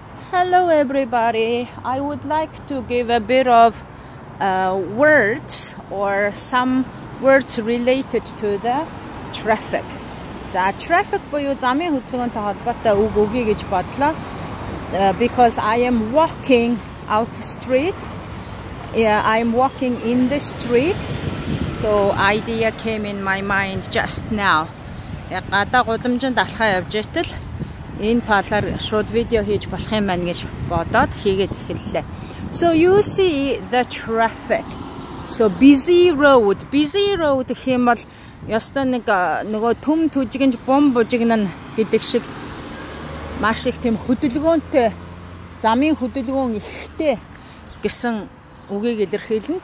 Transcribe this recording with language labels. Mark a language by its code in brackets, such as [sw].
[en] Hello everybody, I would like to give a bit of words or some words related to the traffic. [mn] За traffic буюу замын хөдөлгөөнтэй холбоотой үг өгье гэж бодлоо. [en] Because I am walking out the street. Yeah, I'm walking in the street. So idea came in my mind just now. [mn] Гадаа гудамжинд алхаа явж байтал энэ талаар шууд видео хийж болох юм байна гэж бодоод хийгээд эхэллээ. [en] So you see the traffic. So busy road. [mn] Busy road гэх юм бол ёстой нөгөө төм түжигэнж бум бужигнан гэдэг шиг маш их тийм хөдөлгөөнтэй замын хөдөлгөөн ихтэй гэсэн үгийг илэрхийлнэ.